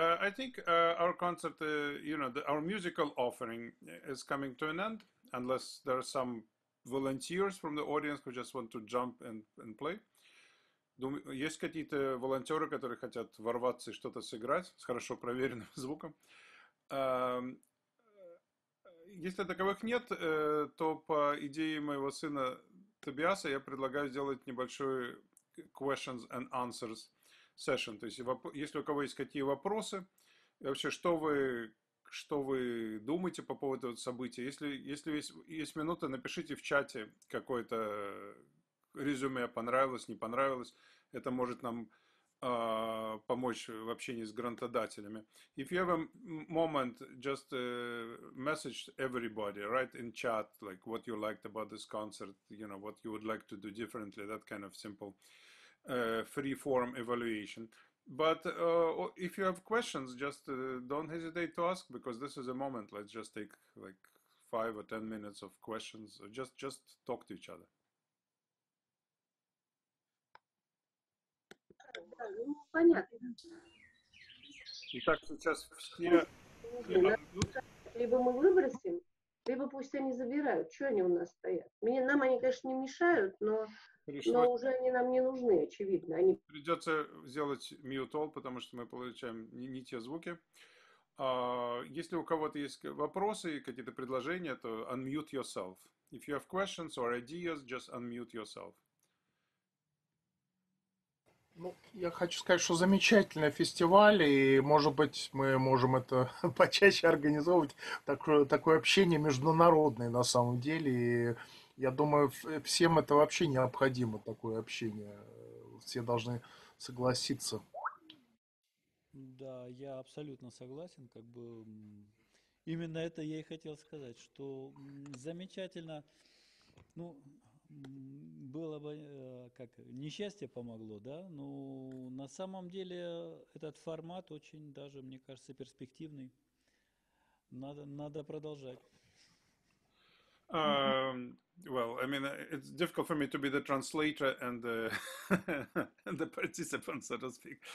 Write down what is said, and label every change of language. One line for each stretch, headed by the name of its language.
English: I think our concert, our musical offering is coming to an end, unless there are some volunteers from the audience who just want to jump and play.
Russian: Есть какие-то волонтеры, которые хотят ворваться и что-то сыграть с хорошо проверенным звуком? Если таковых нет, то по идее моего сына Тобиаса я предлагаю сделать небольшой
English: questions and answers session,
Russian: то есть если у кого есть какие вопросы, вообще что вы думаете по поводу этого события, если есть минута, напишите в чате какое-то резюме, понравилось, не понравилось, это может нам помочь в общении с грантодателями.
English: If you have a moment, just message everybody, write in chat, like what you liked about this concert, you know, what you would like to do differently, that kind of simple free form evaluation. But if you have questions, just don't hesitate to ask, because this is a moment. Let's just take like 5 or 10 minutes of questions. Just talk to each other.
Russian: Итак, сейчас все... Либо мы выбросим, либо пусть они забирают. Чего они у нас стоят? Нам они, конечно, не мешают, но уже они нам не нужны, очевидно. Они... Придется сделать
English: mute all,
Russian: потому что мы получаем не те звуки. Если у кого-то есть вопросы, какие-то предложения, то
English: unmute yourself. If you have questions or ideas, just unmute yourself.
Russian: Ну, я хочу сказать, что замечательный фестиваль, и, может быть, мы можем это почаще организовывать, такое общение международное на самом деле, и я думаю, всем это вообще необходимо, такое общение, все должны согласиться. Да, я абсолютно согласен, как бы, именно это я и хотел сказать, что замечательно, ну... Было бы как несчастье помогло, да, но на самом деле этот формат очень даже, мне кажется, перспективный. Надо продолжать.
English: Well, I mean, it's difficult for me to be the translator and the participant, so to speak.